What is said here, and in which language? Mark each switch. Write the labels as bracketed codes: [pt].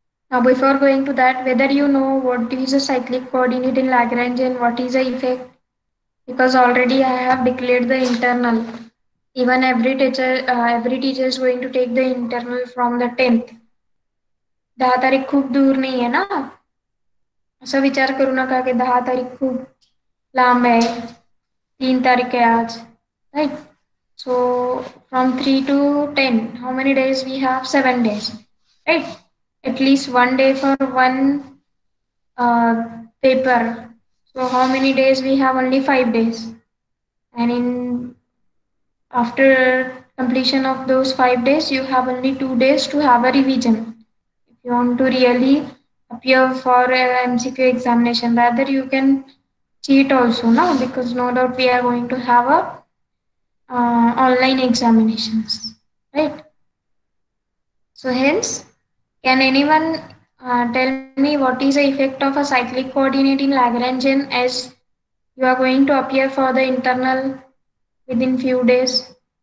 [en] Now before going to that, whether you know what is a cyclic coordinate in Lagrangian, what is the effect? Because already I have declared the internal. Even every teacher is going to take the internal from the 10th. [mr] 10 तारीख खूप दूर नाही आहे ना, असं विचार करू नका की 10 तारीख खूप लांब आहे, 3 तारीख आहे आज, right? [en] So from 3 to 10 how many days we have? 7 days, right? At least 1 day for 1 paper. So how many days we have? Only 5 days. And in after completion of those 5 days you have only 2 days to have a revision. You want to really appear for MCQ examination. Rather, you can cheat also now, because no doubt we are going to have a online examinations, right? So hence, can anyone tell me what is the effect of a cyclic coordinate in Lagrangian as you are going to appear for the internal within few days?